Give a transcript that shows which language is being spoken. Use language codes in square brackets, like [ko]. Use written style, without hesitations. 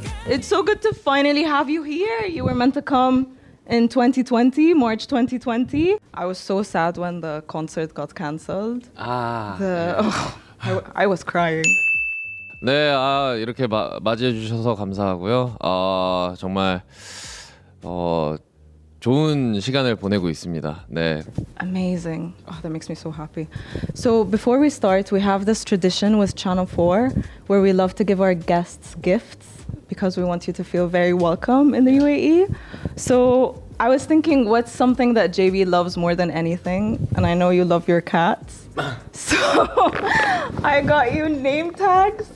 [en] It's so good to finally have you here. You were meant to come in March 2020. I was so sad when the concert got cancelled. I was crying. [ko] 네, 아, 이렇게 맞이해 주셔서 감사하고요. 아, 정말 어 좋은 시간을 보내고 있습니다. 네. [en] Amazing. Oh, that makes me so happy. So, before we start, we have this tradition with Channel 4 where we love to give our guests gifts because we want you to feel very welcome in the UAE. So, I was thinking, what's something that JB loves more than anything? And I know you love your cats. So, I got you name tags.